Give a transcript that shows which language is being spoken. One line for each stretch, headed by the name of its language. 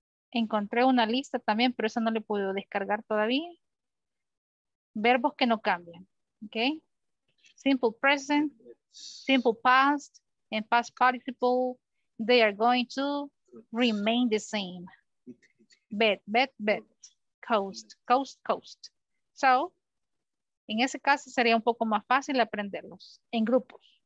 Spanish: Encontré una lista también, pero esa no le puedo descargar todavía. Verbos que no cambian. ¿Ok?
English: Simple present, simple past, and past participle, they are going to remain the same. Bet, bet, bet. Coast, coast, coast.
Spanish: So, en ese caso sería un poco más fácil aprenderlos en grupos.